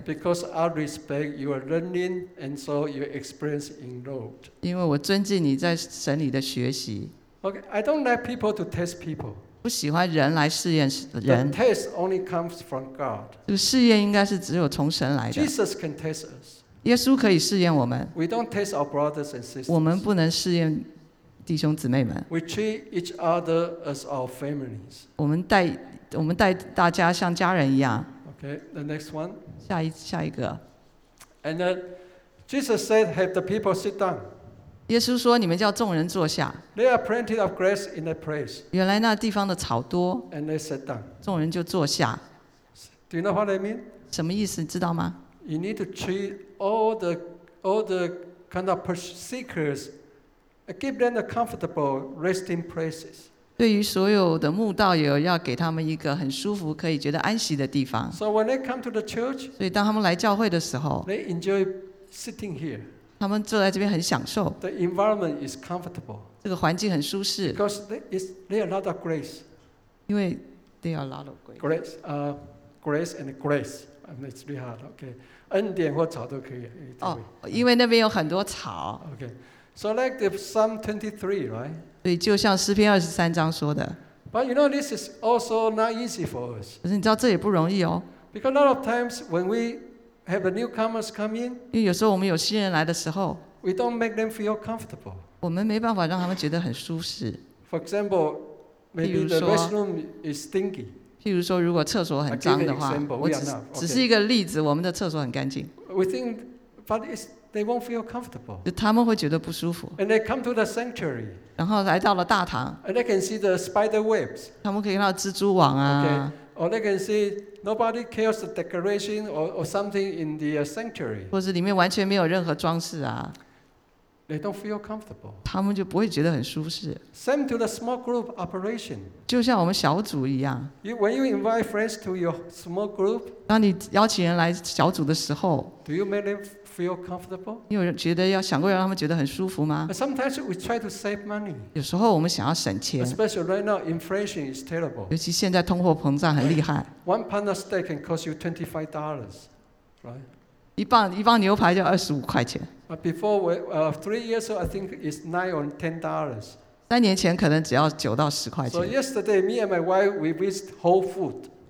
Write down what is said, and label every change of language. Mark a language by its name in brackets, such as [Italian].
[English] Because I respect your learning and so your experience in Lord. [Chinese] 因为我尊敬你在神里的学习。 [English] Okay, I don't like people to test people. [Chinese] 不喜欢人来试验人。 [English] The test only comes from God. [Chinese] 这个试验应该是只有从神来的。 [English] Jesus can test us. [Chinese] 耶稣可以试验我们。 [English] We don't test our brothers and sisters. [Chinese] 我们不能试验弟兄姊妹们。 [English] We treat each other as our families. [Chinese] 我们待大家像家人一样。 [English] Okay, the next one. [Chinese] 下一个。 [English] And then Jesus said, "Have the people sit down." [Chinese] 耶稣说：“你们叫众人坐下。” [English] There are plenty of grass in that place. [Chinese] 原来那地方的草多。 [English] And they sat down. [Chinese] 众人就坐下。 [English] Do you know what I mean? [Chinese] 什么意思？你知道吗 [English] ？You need to treat all the kind of seekers, give them the comfortable resting places. [Chinese] 对于所有的慕道友，要给他们一个很舒服、可以觉得安息的地方。 [English] So when they come to the church, [Chinese] 所以当他们来教会的时候 [English] ，they enjoy sitting here. [Chinese] 他们坐在这边很享受。 [English] The environment is comfortable. [Chinese] 这个环境很舒适。 [English] Because there is a lot of grace. [Chinese] 因为 [English] there are a lot of grace. Grace and grace. It's really hard. Okay, [Chinese] 恩典或草都可以。哦，因为那边有很多草。 [English] Okay, so like the Psalm 23, right? [Chinese] 对，就像诗篇二十三章说的。 [English] But you know, this is also not easy for us. [Chinese] 可是你知道这也不容易哦。 [English] Because a lot of times when we have the newcomers come in, [Chinese] 因为有时候我们有新人来的时候 [English] ，we don't make them feel comfortable. [Chinese] 我们没办法让他们觉得很舒适。 [English] For example, maybe the restroom is stinky. [Chinese] 譬如说，如果厕所很脏的话，我只是一个例子，我们的厕所很干净。 [English] We think, but it's they won't feel comfortable. [Chinese] 就他们会觉得不舒服。 [English] And they come to the sanctuary. [Chinese] 然后来到了大堂 [English] ，and they can see the spider webs. [Chinese] 他们可以看到蜘蛛网啊。 [English] Okay. Or they can see nobody cares the decoration or something in the sanctuary. [Chinese] 或是里面完全没有任何装饰啊。 [English] They don't feel comfortable. [Chinese] 他们就不会觉得很舒适。 [English] Same to the small group operation. [Chinese] 就像我们小组一样。 [English] When you invite friends to your small group, [Chinese] 当你邀请人来小组的时候 [English] ，do you make them feel comfortable? [Chinese] 你有觉得要想过让他们觉得很舒服吗 [English] ？Sometimes we try to save money. [Chinese] 有时候我们想要省钱。 [English] Especially right now, inflation is terrible. [Chinese] 尤其现在通货膨胀很厉害。 [English] One pound of steak can cost you $25, right? [Chinese] 一磅牛排就25块钱。 [English] But before three years ago, I think it's $9 or $10. [Chinese] 三年前可能只要9到10块钱。 [English] So yesterday, me and my wife we visit Whole Foods.